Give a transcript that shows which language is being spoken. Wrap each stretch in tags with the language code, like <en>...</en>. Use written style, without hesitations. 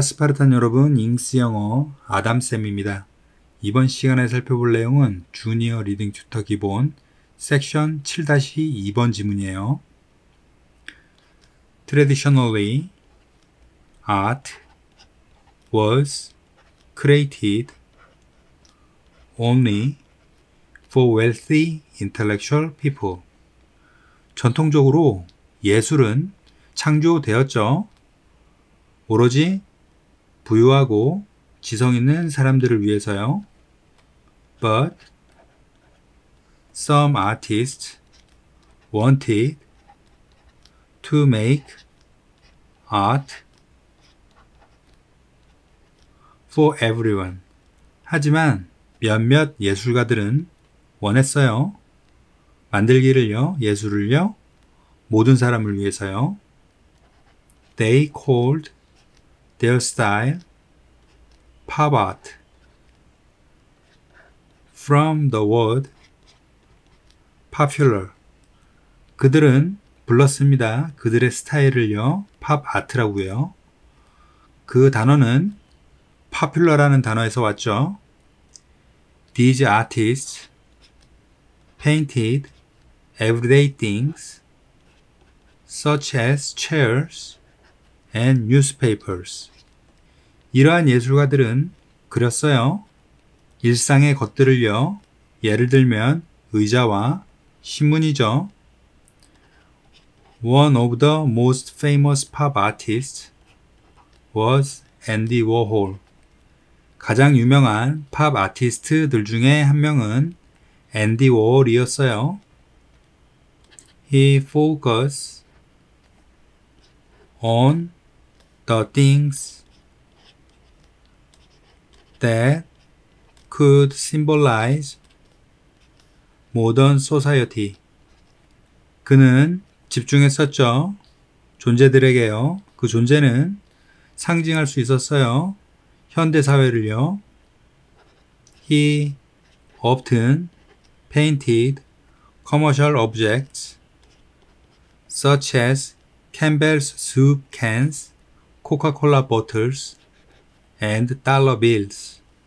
<ko>스파르탄 여러분, 잉스 영어 아담쌤입니다. 이번 시간에 살펴볼 내용은 주니어 리딩 튜터 기본 섹션 7-2번 지문이에요.</ko> <en>Traditionally, art was created only for wealthy intellectual people.</en> <ko>전통적으로 예술은 창조되었죠. 오로지 부유하고 지성 있는 사람들을 위해서요.</ko> <en>But some artists wanted to make art for everyone.</en> <ko>하지만 몇몇 예술가들은 원했어요. 만들기를요, 예술을요, 모든 사람을 위해서요.</ko> <en>They called their style pop art. From the word popular.</en> <ko>그들은 불렀습니다. 그들의 스타일을요, pop art라고요. 그 단어는 popular라는 단어에서 왔죠.</ko> <en>These artists painted everyday things such as chairs and newspapers.</en> <ko>이러한 예술가들은 그렸어요. 일상의 것들을요. 예를 들면 의자와 신문이죠.</ko> <en>One of the most famous pop artists was Andy Warhol.</en> <ko>가장 유명한 팝 아티스트들 중에 한 명은 앤디 워홀이었어요.</ko> <en>He focused on the things that could symbolize modern society.</en> <ko>그는 집중했었죠. 존재들에게요. 그 존재는 상징할 수 있었어요. 현대사회를요.</ko> <en>He often painted commercial objects such as Campbell's soup cans, Coca-Cola bottles, and dollar bills.</en>